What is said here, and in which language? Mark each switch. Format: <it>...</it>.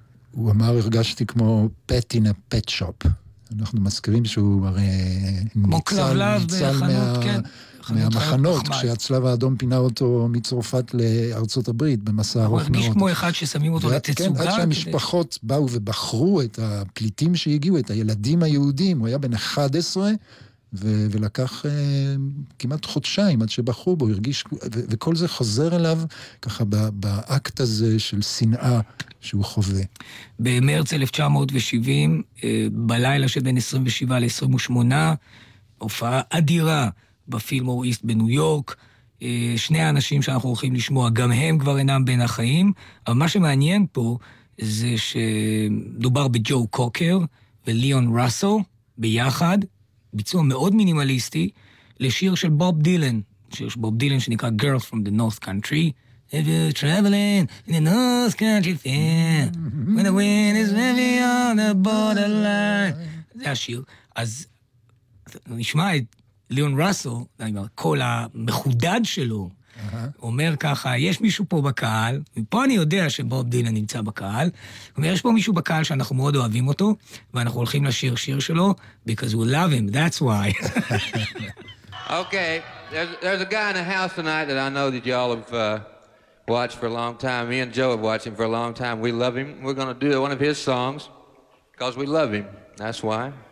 <he>הוא אמר, הרגשתי כמו</he> <en>pet in a pet shop.</en> <he>אנחנו מזכירים שהוא הרי ניצל, ניצל מהמחנות, כשהצלב האדום פינה אותו מצרפת לארצות הברית, במסע ארוך מאוד. הוא מרגיש כמו אחד ששמים אותו לתצוגה. כן, עד שהמשפחות באו ובחרו את הפליטים שהגיעו, את הילדים היהודים, הוא היה בן 11, ולקח כמעט חודשיים עד שבחרו בו, הרגיש, וכל זה חוזר אליו ככה באקט הזה של שנאה שהוא חווה. במרץ 1970, בלילה שבין 27 ל-28, הופעה אדירה בפילמור איסט בניו יורק, שני האנשים שאנחנו הולכים לשמוע, גם הם כבר אינם בין החיים, אבל מה שמעניין פה זה שדובר בג'ו קוקר וליאון ראסו ביחד, ביצוע מאוד מינימליסטי, לשיר של בוב דילן, שיש בוב דילן שנקרא Girls from the North Country,</he> <en>If you're traveling in the North Country Fair, when the wind is heavy on the borderline.</en> <he>זה השיר. אז נשמע את ליאון ראסל, כל המחודד שלו, אומר ככה, יש מישהו פה בקהל, ופה אני יודע שבוב דילן נמצא בקהל, אומר, יש פה מישהו בקהל שאנחנו מאוד אוהבים אותו, ואנחנו הולכים לשיר שיר שלו,</he> <en>because we love him, that's why. Okay, there's a guy in the house tonight that I know that y'all have watched for a long time. Me and Joe have watched him for a long time. We love him. We're going to do one of his songs, because we love him. That's why.</en>